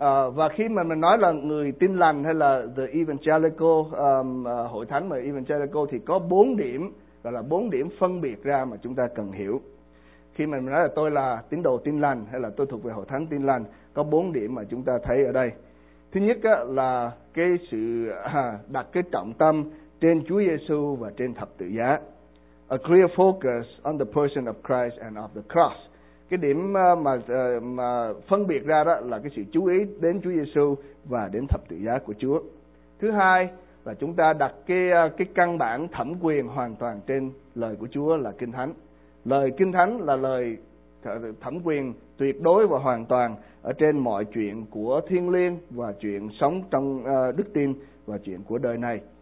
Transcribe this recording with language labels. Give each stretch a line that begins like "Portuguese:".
Vietnamese: Và khi mà mình nói là người tin lành hay là the evangelical, hội thánh mà evangelical, thì có bốn điểm, gọi là bốn điểm phân biệt ra mà chúng ta cần hiểu. Khi mà mình nói là tôi là tín đồ tin lành hay là tôi thuộc về hội thánh tin lành, có bốn điểm mà chúng ta thấy ở đây. Thứ nhất á, là cái sự đặt cái trọng tâm trên Chúa Giêsu và trên thập tự giá.
English: A clear focus on the person of Christ and of the cross.
Vietnamese: Cái điểm mà phân biệt ra đó là cái sự chú ý đến Chúa Giêsu và đến thập tự giá của Chúa. Thứ hai là chúng ta đặt cái căn bản thẩm quyền hoàn toàn trên lời của Chúa là Kinh Thánh. Lời Kinh Thánh là lời thẩm quyền tuyệt đối và hoàn toàn ở trên mọi chuyện của thiên liêng và chuyện sống trong đức tin và chuyện của đời này.